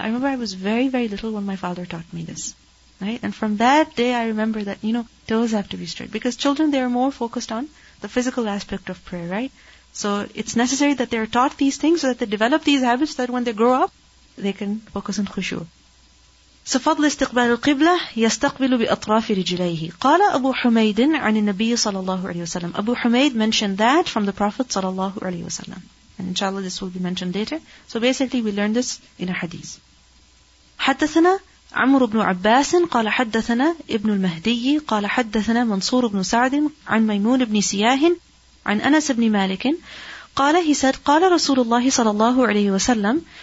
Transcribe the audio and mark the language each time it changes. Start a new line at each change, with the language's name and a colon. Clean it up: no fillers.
English: I remember I was very, very little when my father taught me this. Right? And from that day I remember that, you know, toes have to be straight. Because children, they are more focused on the physical aspect of prayer, right? So it's necessary that they are taught these things so that they develop these habits so that when they grow up, they can focus on khushu.
Arabic: So فضل استقبال القبلة يستقبل بأطراف رجليه. قال أبو حميد عن النبي صلى الله عليه وسلم.
English: Abu Humaid mentioned that from the Prophet
Arabic: صلى الله عليه وسلم.
English: And inshallah this will be mentioned later. So basically we learned this in a hadith.
Arabic: حدثنا عمر بن عباس قال حدثنا ابن المهدي قال حدثنا منصور بن سعد عن ميمون بن سياه عن أنس بن مالك قال
English: he said
Arabic: قال رسول الله صلى الله عليه وسلم.